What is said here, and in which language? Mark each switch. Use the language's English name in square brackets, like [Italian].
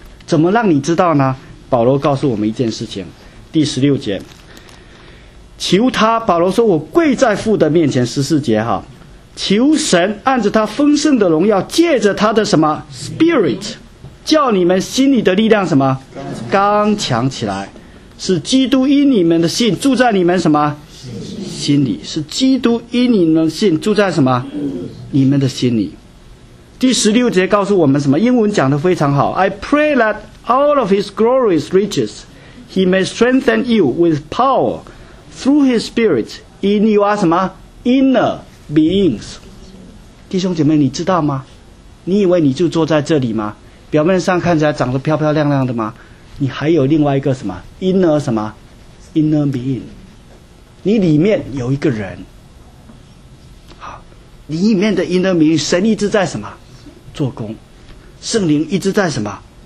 [Chinese] 怎么让你知道呢？保罗告诉我们一件事情，第16节，求他，保罗说，我跪在父的面前，14节哈，求神按着他丰盛的荣耀，借着他的什么 Spirit， 叫你们心里的力量什么刚强起来，是基督因你们的信住在你们什么心里，是基督因你们的信住在什么你们的心里。第16节告诉我们什么？英文讲得非常好， [English] I pray that all of his glorious riches he may strengthen you with power through his spirit in your [Chinese] 什么 [English] inner beings。 [Chinese] 弟兄姐妹，你知道吗？你以为你就坐在这里吗？表面上看起来长得漂漂亮亮的吗？你还有另外一个什么 inner 什么 inner being， 你里面有一个人。好，你里面的 inner being， 神一直在什么做工，圣灵一直在什么